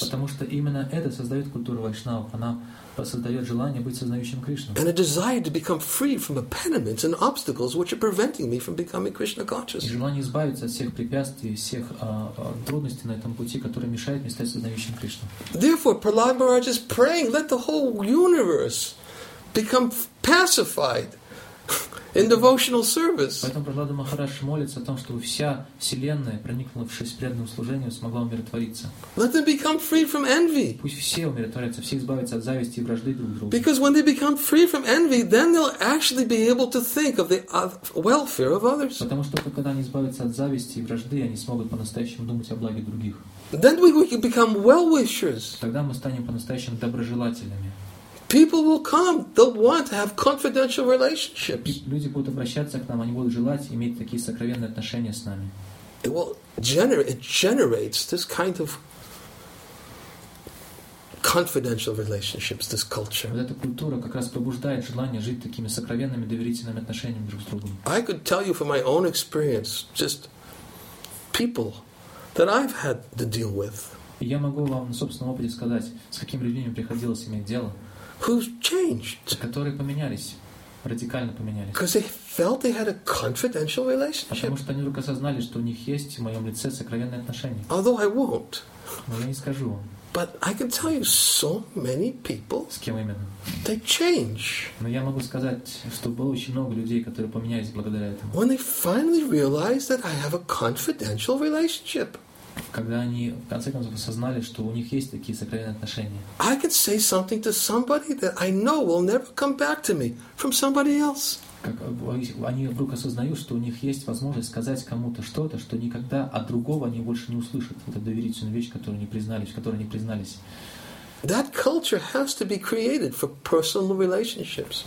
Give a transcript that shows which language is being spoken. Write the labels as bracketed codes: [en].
[ru] Потому что именно это создает культуру вайшнав, она создает желание быть сознающим Кришну. [en] And a desire to become free from impediments and obstacles which are preventing me from becoming Krishna conscious. [ru] И желание избавиться от всех препятствий, всех трудностей на этом пути, которые мешают мне стать сознающим Кришну. [en] Therefore, Prahlad Maharaj is praying, let the whole universe become pacified. In devotional service. [ru] Поэтому Прохлада Махарадж молится о том, чтобы вся вселенная, проникнувшись в преданное служение, смогла умиротвориться. [en] Let them become free from envy. [ru] Пусть все умиротворятся, все избавятся от зависти и вражды друг другу. [en] Because when they become free from envy, then they'll actually be able to think of the welfare of others. [ru] Потому что только когда они избавятся от зависти и вражды, они смогут по-настоящему думать о благе других. [en] Then we will become well-wishers. [ru] Тогда мы станем по-настоящему доброжелателями. [en] People will come. They'll want to have confidential relationships. [ru] Люди будут обращаться к нам, они будут желать иметь такие сокровенные отношения с нами. [en] It generates this kind of confidential relationships, this culture. [ru] Вот эта культура как раз пробуждает желание жить такими сокровенными доверительными отношениями друг с другом. [en] I could tell you from my own experience, just people that I've had to deal with. [ru] Я могу вам на собственном опыте сказать, с какими людьми приходилось иметь дело. [en] Who's changed? [ru] Которые поменялись, радикально поменялись. [en] Because they felt they had a confidential relationship. [ru] Потому что они вдруг осознали, что у них есть в моем лице сокровенные отношения. [en] Although I won't. [ru] Но я не скажу вам. [en] But I can tell you so many people. [ru] С кем именно? [en] They change. [ru] Но я могу сказать, что было очень много людей, которые поменялись благодаря этому. [en] When they finally realized that I have a confidential relationship. [ru] Когда они в конце концов осознали, что у них есть такие сокровенные отношения. [en] I could say something to somebody that I know will never come back to me from somebody else. [ru] Как они вдруг осознают, что у них есть возможность сказать кому-то что-то, что никогда от другого они больше не услышат. Это доверительная вещь, которую они признались, [en] That culture has to be created for personal relationships.